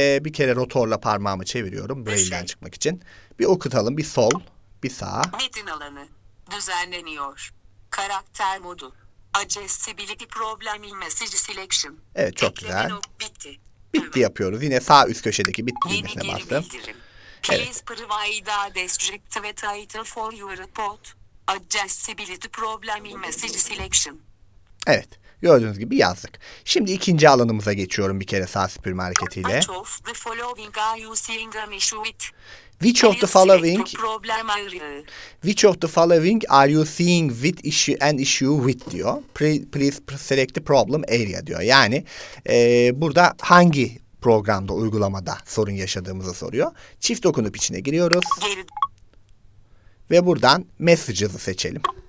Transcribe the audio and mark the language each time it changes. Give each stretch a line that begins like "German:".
Turkish: Bir kere rotorla parmağımı çeviriyorum. Braille'den çıkmak için. Bir okutalım. Bir sol, bir sağ. Metin alanı düzenleniyor. Karakter modu.
English: Accessibility problem in message selection.
Turkish: Evet, çok Ekleme güzel. Bitti. Bitti yapıyoruz. Yine sağ üst köşedeki bitti düğmesine bastım.
English: Please evet. Provide a descriptive title for your report. Accessibility problem in message selection.
Turkish: Evet. Gördüğünüz gibi yazdık. Şimdi ikinci alanımıza geçiyorum bir kere sağ süpürme hareketiyle.
English: Which of the following are you seeing an issue with? Which of the following? Problem which of the following are you seeing with issue an issue with
Turkish: diyor.
English: Please select the problem area
Turkish: diyor. Yani burada hangi programda, uygulamada sorun yaşadığımızı soruyor. Çift dokunup içine giriyoruz. Geri. Ve buradan Messages'ı seçelim.